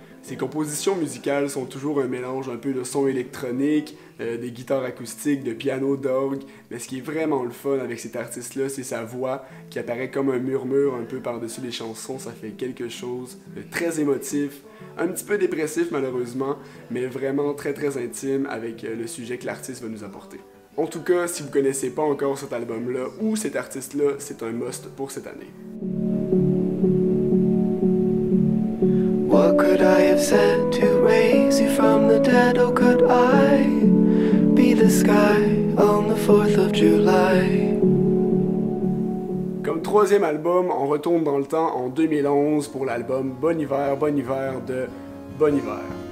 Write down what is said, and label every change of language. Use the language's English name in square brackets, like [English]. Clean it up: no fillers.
[French] Ses compositions musicales sont toujours un mélange un peu de sons électroniques, des guitares acoustiques, de piano, d'orgue, mais ce qui est vraiment le fun avec cet artiste-là, c'est sa voix qui apparaît comme un murmure un peu par-dessus les chansons, ça fait quelque chose de très émotif, un petit peu dépressif malheureusement, mais vraiment très très intime avec le sujet que l'artiste va nous apporter. En tout cas, si vous connaissez pas encore cet album-là ou cet artiste-là, c'est un must pour cette année. [English] What could I have said to raise you from the dead? Or could I be the sky on the 4th of July? [French] Comme troisième album, on retourne dans le temps en 2011 pour l'album Bon Hiver, Bon Hiver de Bon Hiver.